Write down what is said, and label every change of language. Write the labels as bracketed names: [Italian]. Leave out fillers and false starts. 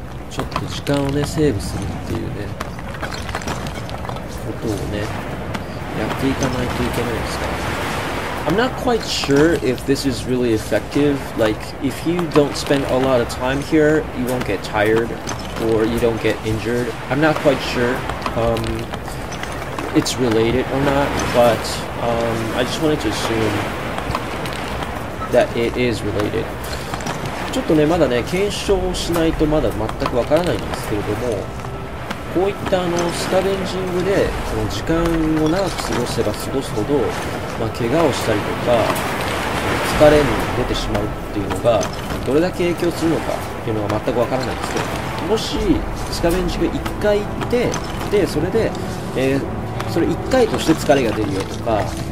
[Japanese] ちょっと時間をね、セーブするっていうね、ことをね、やっていかないといけないですから。 [English] I'm not quite sure if this is really effective. Like, if you don't spend a lot of time here, you won't get tired or you don't get injured. I'm not quite sure it's related or not, but I just wanted to assume that it is related. [Japanese] ちょっとね、まだね、検証しないとまだ全くわからないんですけれども、こういったあのスカベンジングでこの時間を長く過ごせば過ごすほど、まあ、怪我をしたりとか疲れに出てしまうっていうのがどれだけ影響するのかっていうのが全くわからないんですけど、もしスカベンジング1回行ってで、それで、それ1回として疲れが出るよとか